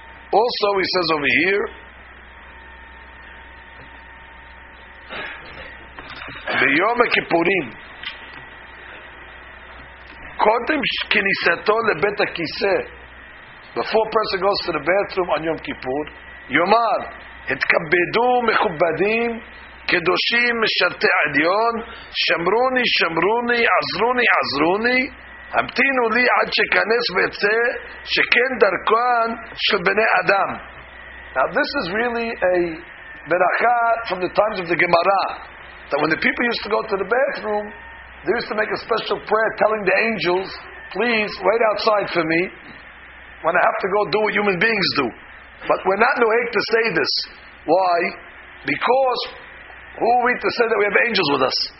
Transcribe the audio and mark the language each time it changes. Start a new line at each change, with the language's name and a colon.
English: Also, he says over here,
Hebrew: "Biyom Kippurim, kodem kiniseto lebet hakiseh."
English: Before a person goes to the bathroom on Yom Kippur, Yomar.
Hebrew: התכבדו מכובדים, קדושים משרתי עליון, שמרוני, שמרוני, עזרוני, עזרוני, המתינו לי עד שכנס ויצא, שכן דרכן של בני אדם.
English: Now this is really a beracha from the times of the Gemara, that when the people used to go to the bathroom, they used to make a special prayer telling the angels, please wait outside for me, when I have to go do what human beings do. But we're not noeg to say this. Why? Because who are we to say that we have angels with us?